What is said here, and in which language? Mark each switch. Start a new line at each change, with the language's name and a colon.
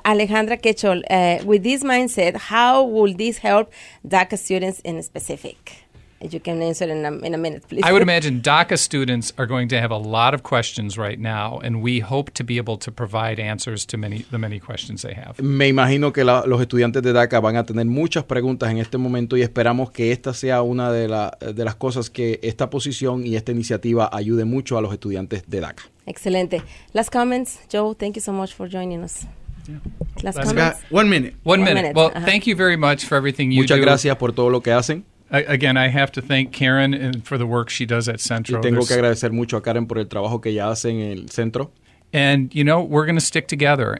English: Alejandra Quechol, with this mindset, how will this help DACA students in specific? You can answer in a minute, please. I would imagine DACA students are going to have a lot of questions right now, and we hope to be able to provide answers to the many questions they have.
Spanish: Me imagino que los estudiantes de DACA van a tener muchas preguntas en este momento, y esperamos que esta sea una de las cosas que esta posición y esta iniciativa ayude mucho a los estudiantes de DACA. Excelente.
English: Last comments, Joe. Thank you so much for joining us. Yeah. Last comments. One minute. Well, thank you very much for everything you do.
Spanish: Muchas gracias por todo lo que hacen.
English: Again, I have to thank Karen for the work she does at Centro.
Spanish: Y tengo que agradecer mucho a Karen por el trabajo que ella hace en el centro.
English: And, you know, we're going to stick together.